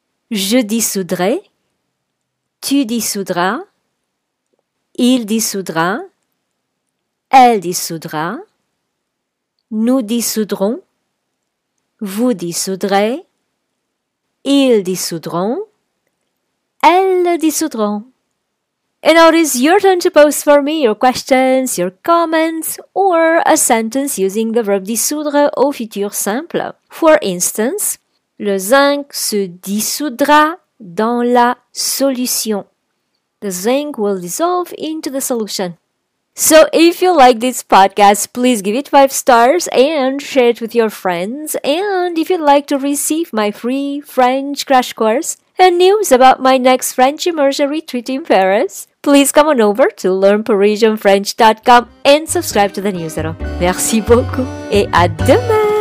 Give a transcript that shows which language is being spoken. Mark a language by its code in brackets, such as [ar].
[fr] Je dissoudrai, tu dissoudras, il dissoudra, elle dissoudra, nous dissoudrons, vous dissoudrez, ils dissoudront, elles dissoudront. [en] And now it is your turn to post for me your questions, your comments, or a sentence using the verb [fr] dissoudre au futur simple. [en] For instance, [fr] le zinc se dissoudra dans la solution. [en] The zinc will dissolve into the solution. So if you like this podcast, please give it 5 stars and share it with your friends. And if you'd like to receive my free French crash course and news about my next French immersion retreat in Paris, please come on over to learnparisianfrench.com and subscribe to the newsletter. [fr] Merci beaucoup et à demain!